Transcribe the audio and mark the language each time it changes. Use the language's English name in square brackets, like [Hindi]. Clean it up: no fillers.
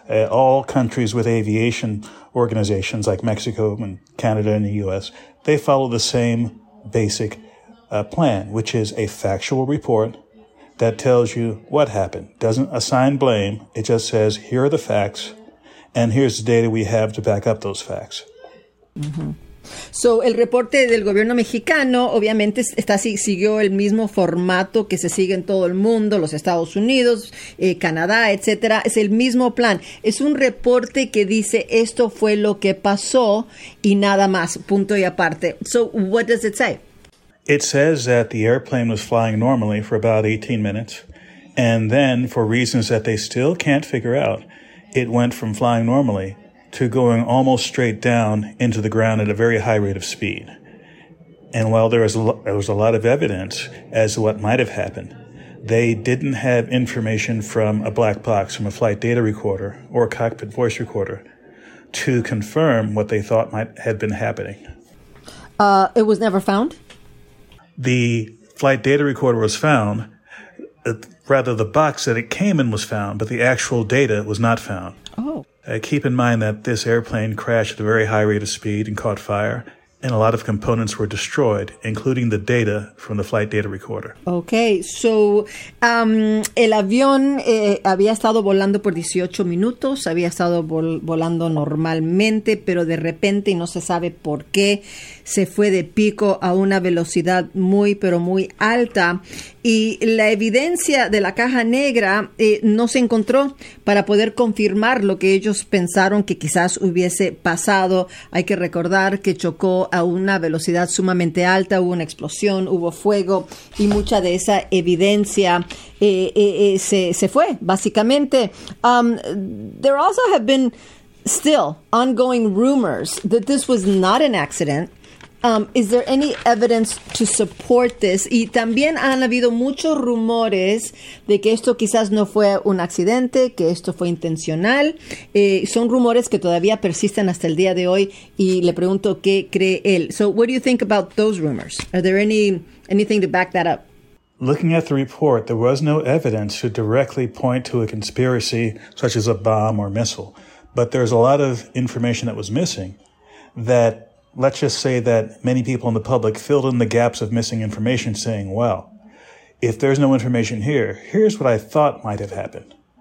[English] All countries with aviation organizations like Mexico and Canada and the U.S., they follow the same basic plan, which is a factual report that tells you what happened. Doesn't assign blame. It just says, here are the facts, and here's the data we have to back up those facts. Mm-hmm. [Spanish] So, el reporte del gobierno mexicano, obviamente, siguió el mismo formato que se sigue en todo el mundo, los Estados Unidos, Canadá, etcétera. Es el mismo plan. Es un reporte que dice esto fue lo que pasó y nada más, punto y aparte. [English] So, what does it say? It says that the airplane was flying normally for about 18 minutes. And then, for reasons that they still can't figure out, it went from flying normally to going almost straight down into the ground at a very high rate of speed. And while there was a lot of evidence as to what might have happened, they didn't have information from a black box, from a flight data recorder or a cockpit voice recorder, to confirm what they thought might have been happening. It was never found? The flight data recorder was found. Rather, the box that it came in was found, but the actual data was not found. Oh. Keep in mind that this airplane crashed at a very high rate of speed and caught fire, and a lot of components were destroyed, including the data from the flight data recorder. [Spanish] Okay, so el avión había estado volando por 18 minutos, había estado volando normalmente, pero de repente, y no se sabe por qué, se fue de pico a una velocidad muy, pero muy alta. Y la evidencia de la caja negra no se encontró para poder confirmar lo que ellos pensaron que quizás hubiese pasado. Hay que recordar que chocó a una velocidad sumamente alta, hubo una explosión, hubo fuego y mucha de esa evidencia se fue, básicamente. [English] There also have been still ongoing rumors that this was not an accident. Is there any evidence to support this? [Spanish] Y también han habido muchos rumores de que esto quizás no fue un accidente, que esto fue intencional. Son rumores que todavía persisten hasta el día de hoy y le pregunto qué cree él. [English] So what do you think about those rumors? Are there anything to back that up? Looking at the report, there was no evidence to directly point to a conspiracy such as a bomb or missile. But there's a lot of information that was missing that, let's just say that many people in the public filled in the gaps of missing information saying, well, if there's no information here, here's what I thought might have happened.